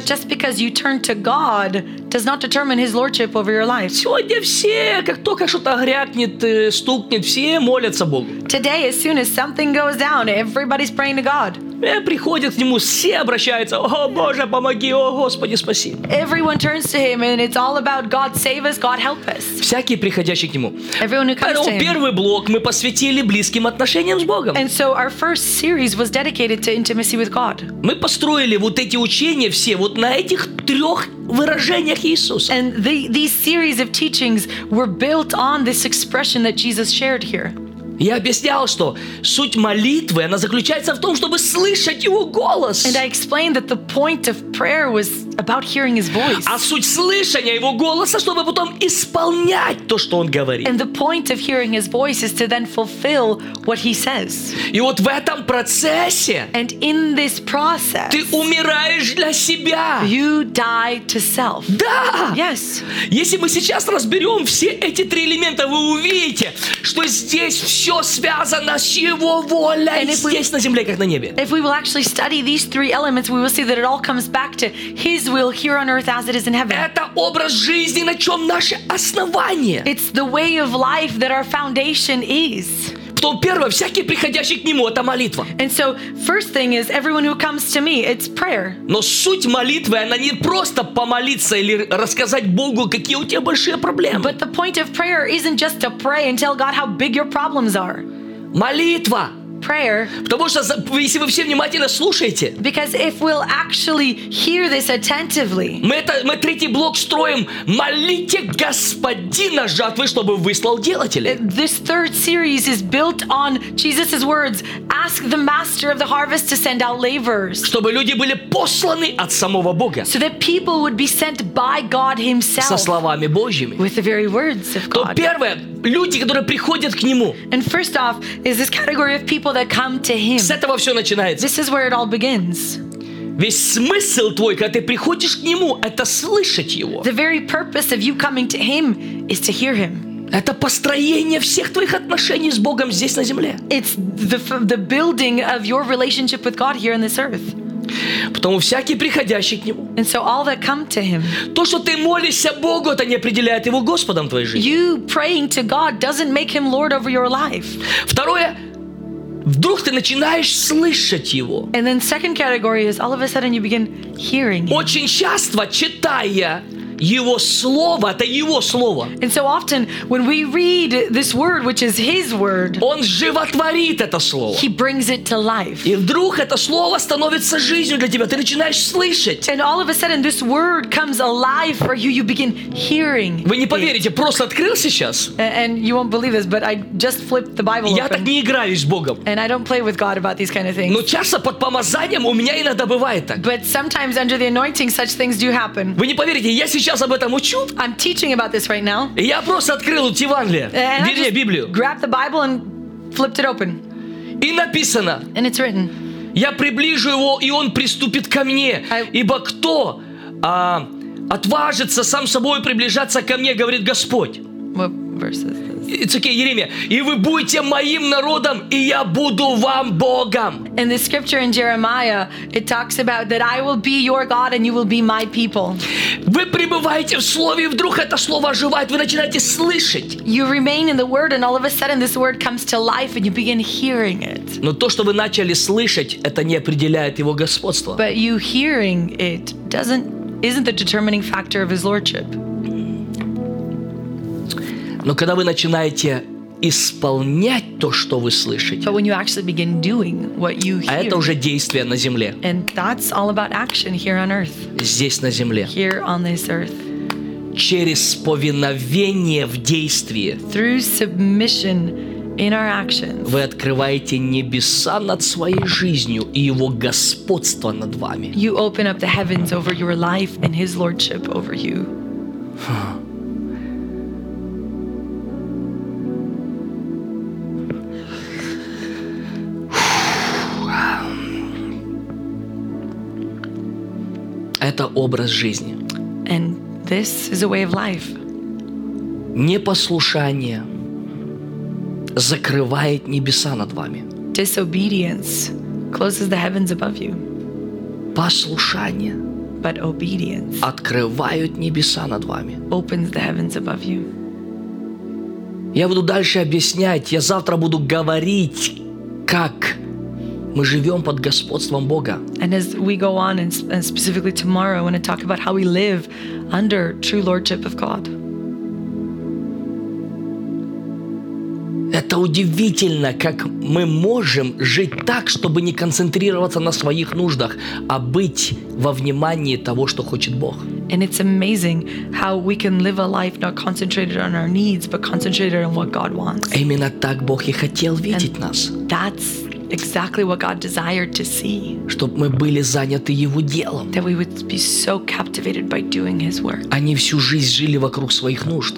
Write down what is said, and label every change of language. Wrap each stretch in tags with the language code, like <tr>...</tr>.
<en>But just because you turn to God does not determine His lordship over your life.</en> <ru>Сегодня все, как только что-то грякнет, стукнет, все молятся Богу.</ru> <en>Today, as soon as something goes down, everybody's praying to God.</en> <ru>Приходят к Нему, все обращаются. О, Боже, помоги, о, Господи, спаси.</ru> <en>Everyone turns to Him, and it's all about God save us, God help us.</en> <ru>Всякий приходящий к Нему.</ru> <en>Everyone who comes to Him.</en> <ru>Поэтому первый блок мы посвятили близким отношениям с Богом.</ru> <en>And so our first series was dedicated to intimacy with God.</en> <ru>Мы построили вот эти учения все вот на этих трех выражениях Иисуса.</ru> <en>And these series of teachings were built on this expression that Jesus shared here.</en> <ru>Я объяснял, что суть молитвы, она заключается в том, чтобы слышать Его голос.</ru> <en>And I explained that the point of prayer was about hearing His voice.</en> <ru>А суть слышания Его голоса, чтобы потом исполнять то, что Он говорит.</ru> <en>And the point of hearing His voice is to then fulfill what He says.</en> <ru>И вот в этом процессе</ru> <en>And in this process,</en> <ru>ты умираешь для себя.</ru> <en>You die to self.</en> <ru>Да!</ru> <en>Yes.</en> <ru>Если мы сейчас разберем все эти три элемента, вы увидите, что здесь все Все связано с Его волей здесь на земле, как на небе.</ru> <en>If we will actually study these three elements, we will see that it all comes back to His will here on earth as it is in heaven.</en> <ru>Это образ жизни, на чем наше основание.</ru> <en>It's the way of life that our foundation is.</en> <ru>Потом первое, всякий приходящий к Нему, это молитва.</ru> <en>And so, first thing is, everyone who comes to me, it's prayer.</en> <ru>Но суть молитвы, она не просто помолиться или рассказать Богу, какие у тебя большие проблемы.</ru> <en>But the point of prayer isn't just to pray and tell God how big your problems are.</en> <ru>Молитва.</ru> <en>Prayer.</en> <ru>Потому что, если вы все внимательно слушаете,</ru> <en>Because if we'll actually hear this attentively,</en> <ru>мы третий блок строим «Молите Господина жатвы, чтобы выслал делателей».</ru> <en>This third series is built on Jesus' words «Ask the master of the harvest to send out laborers».</en> <ru>Чтобы люди были посланы от самого Бога.</ru> <en>So that people would be sent by God Himself.</en> <ru>Со словами Божьими.</ru> <en>With the very words of God.</en> <ru>То первое, люди, которые приходят к Нему.</ru> <en>And first off is this category of people that come to Him.</en> <ru>С этого все начинается.</ru> <en>This is where it all begins.</en> <ru>Весь смысл твой, когда ты приходишь к Нему, это слышать Его.</ru> <en>The very purpose of you coming to Him is to hear Him.</en> <ru>Это построение всех твоих отношений с Богом здесь на земле.</ru> <en>It's the building of your relationship with God here on this earth.</en> <ru>Потому всякий приходящий к Нему.</ru> <en>And so all that come to Him.</en> <ru>То, что ты молишься Богу, это не определяет Его Господом в твоей жизни.</ru> <en>You praying to God doesn't make Him Lord over your life.</en> <ru>Второе, вдруг ты начинаешь слышать Его.</ru> <en>And then second category is all of a sudden you begin hearing Him.</en> <ru>Очень часто, читая Его слово, это Его слово.</ru> <en>And so often, when we read this word, which is His word,</en> <ru>Он животворит это слово.</ru> <en>He brings it to life.</en> <ru>И вдруг это слово становится жизнью для тебя. Ты начинаешь слышать.</ru> <en>And all of a sudden, this word comes alive for you. You begin hearing.</en> <ru>Вы не поверите, просто открыл сейчас.</ru> <en>And you won't believe this, but I just flipped the Bible.</en> <ru>Я так не играю с Богом.</ru> <en>And I don't play with God about these kind of things.</en> <ru>Но часто под помазанием у меня иногда бывает так.</ru> <en>But sometimes under the anointing, such things do happen.</en> <ru>Вы не поверите, я сейчас об этом учу.</ru> <en>I'm teaching about this right now.</en> <ru>И я просто открыл Евангелие, Библию.</ru> <en>Grabbed the Bible and flipped it open.</en> <ru>И написано.</ru> <en>And it's written.</en> <ru>Я приближу его, и он приступит ко мне. Ибо кто отважится сам собой приближаться ко мне, говорит Господь.</ru> <en>What verse is this? It's okay, Jeremiah.</en> <ru>И вы будете моим народом, и я буду вам Богом.</ru> <en>In the scripture in Jeremiah, it talks about that I will be your God and you will be my people.</en> <ru>Вы пребываете в слове, и вдруг это слово оживает, вы начинаете слышать.</ru> <en>You remain in the word and all of a sudden this word comes to life and you begin hearing it.</en> <ru>Но то, что вы начали слышать, это не определяет его господство.</ru> <en>But you hearing it isn't the determining factor of his lordship.</en> <ru>Но когда вы начинаете исполнять то, что вы слышите,</ru> <en>but when you actually begin doing what you hear,</en> <ru>а это уже действие на земле.</ru> <en>And that's all about action here on earth.</en> <ru>Здесь, на земле.</ru> <en>Here on this earth.</en> <ru>Через повиновение в действии.</ru> <en>Through submission in our actions.</en> <ru>Вы открываете небеса над своей жизнью и его господство над вами.</ru> <en>You open up the heavens over your life and his lordship over you.</en> <ru>Это образ жизни.</ru> <en>And this is a way of life.</en> <ru>Непослушание закрывает небеса над вами.</ru> <en>Disobedience closes the heavens above you.</en> <ru>Послушание.</ru> <en>But obedience.</en> <ru>Открывает небеса над вами.</ru> <en>Opens the heavens above you.</en> <ru>Я буду дальше объяснять. Я завтра буду говорить, как. Мы живем под господством Бога.</ru> <en>And as we go on, and specifically tomorrow, I want to talk about how we live under true lordship of God.</en> <ru>Это удивительно, как мы можем жить так, чтобы не концентрироваться на своих нуждах, а быть во внимании того, что хочет Бог.</ru> <en>And it's amazing how we can live a life not concentrated on our needs, but concentrated on what God wants.</en> <ru>Именно так Бог и хотел видеть нас.</ru> <en>That's exactly what God desired to see.</en> <ru>Чтоб мы были заняты Его делом.</ru> <en>That we would be so captivated by doing His work.</en> <ru>А не всю жизнь жили вокруг своих нужд.</ru>